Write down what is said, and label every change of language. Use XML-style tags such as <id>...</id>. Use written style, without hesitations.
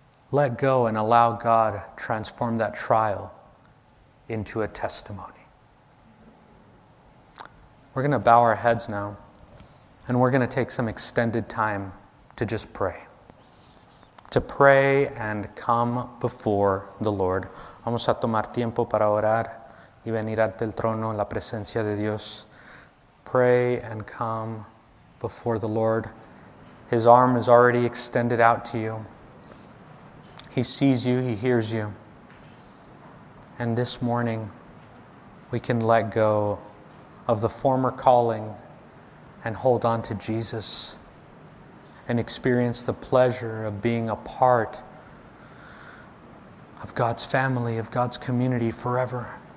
<en>Let go and allow God to transform that trial into a testimony. We're going to bow our heads now, and we're going to take some extended time to just pray. To pray and come before the Lord.</en> <es>Vamos a tomar tiempo para orar y venir ante el trono, la presencia de Dios.</es> <en>Pray and come before the Lord. His arm is already extended out to you. He sees you, He hears you. And this morning, we can let go of the former calling and hold on to Jesus and experience the pleasure of being a part of God's family, of God's community forever.</en>